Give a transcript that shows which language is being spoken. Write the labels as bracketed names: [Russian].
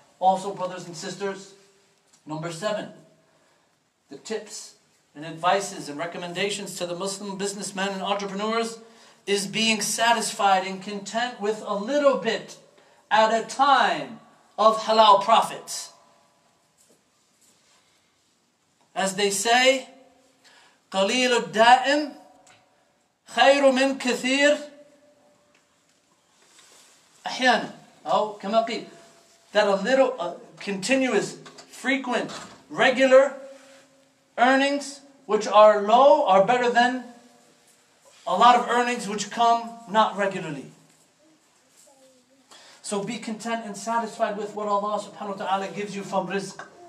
[English] Also, brothers and sisters, number seven, the tips and advices and recommendations to the Muslim businessmen and entrepreneurs is being satisfied and content with a little bit at a time of halal profits. [Arabic] As they say, قليل الدائم خير من كثير أحيانا. أو كما قيل, [English] that a continuous, frequent, regular earnings which are low are better than a lot of earnings which come not regularly. So be content and satisfied with what Allah subhanahu wa ta'ala gives you from rizq.